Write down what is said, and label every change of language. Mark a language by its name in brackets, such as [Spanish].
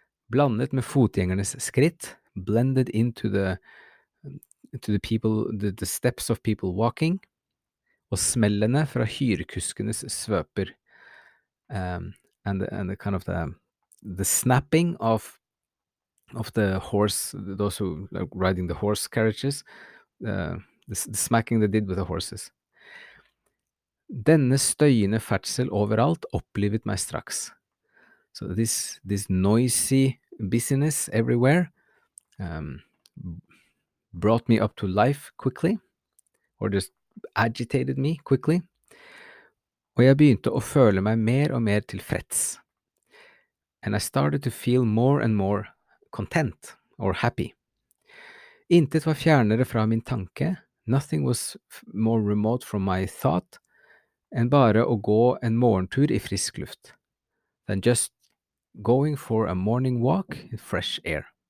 [Norwegian] Blandet med fotgjengernes skritt, [English] blended into the to the people, the steps of people walking, [Norwegian] og smellene fra hyrekuskenes svøper, [English] and the kind of the snapping of the horse, those who like riding the horse carriages, the smacking they did with the horses. [Norwegian] Denne støyende ferdsel overalt opplevet meg straks. [English] So this noisy busyness everywhere brought me up to life quickly, or just agitated me quickly. [Norwegian] Og jeg begynte å føle meg mer og mer tilfreds. [English] And I started to feel more and more content or happy. [Norwegian] Intet var fjernere fra min tanke. [English] Nothing was more remote from my thought [Norwegian] enn bare å gå en morgentur i frisk luft. [English] Than just going for a morning walk in fresh air.